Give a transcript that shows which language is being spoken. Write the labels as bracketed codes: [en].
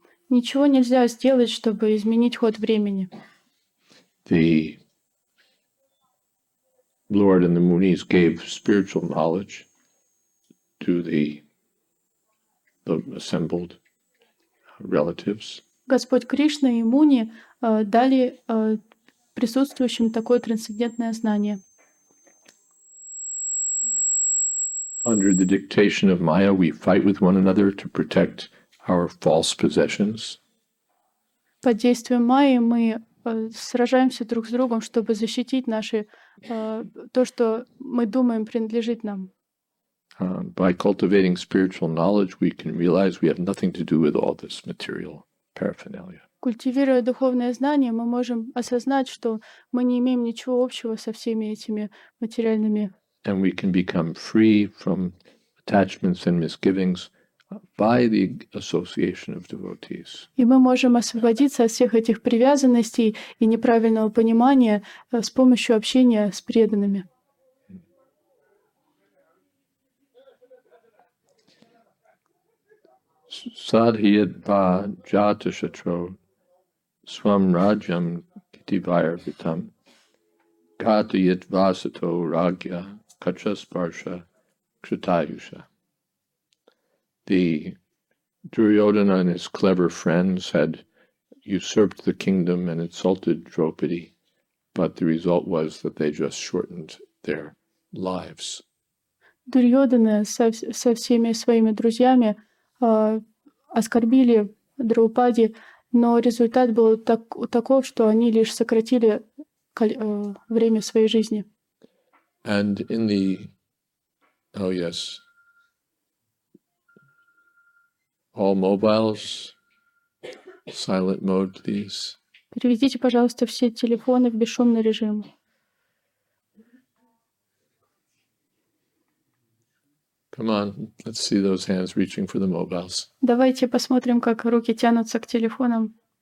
[ru] Ничего нельзя сделать, чтобы изменить ход времени. [en] The Lord and the Munis gave spiritual knowledge to the assembled relatives. [ru] Господь Кришна и Муни дали присутствующим такое трансцендентное знание. [en] Under the dictation of Maya, we fight with one another to protect our false possessions. [ru] Под действием Майи мы сражаемся друг с другом, чтобы защитить наши то, что мы думаем принадлежит нам. [en] By cultivating spiritual knowledge, we can realize we have nothing to do with all this material paraphernalia. [ru] Культивируя духовное знание, мы можем осознать, что мы не имеем ничего общего со всеми этими материальными. [en] And we can become free from attachments and misgivings by the association of devotees. [ru] И мы можем освободиться от всех этих привязанностей и неправильного понимания с помощью общения с преданными. [sa] Садхият ба джата шатро свам раджам китивайр витам гатият васато рагья качаспарша кшатаюша. [en] The Duryodhana and his clever friends had usurped the kingdom and insulted Draupadi, but the result was that they just shortened their lives. [ru] Duryodhana со всеми своими друзьями оскорбили Драупаде, но результат был таков, что они лишь сократили время своей жизни. [en] And in the, oh yes, all mobiles, silent mode, please. [ru] Переведите, пожалуйста, все телефоны в бесшумный режим. [en] Come on, let's see those hands reaching for the mobiles. [ru] Давайте посмотрим, как руки тянутся к телефонам.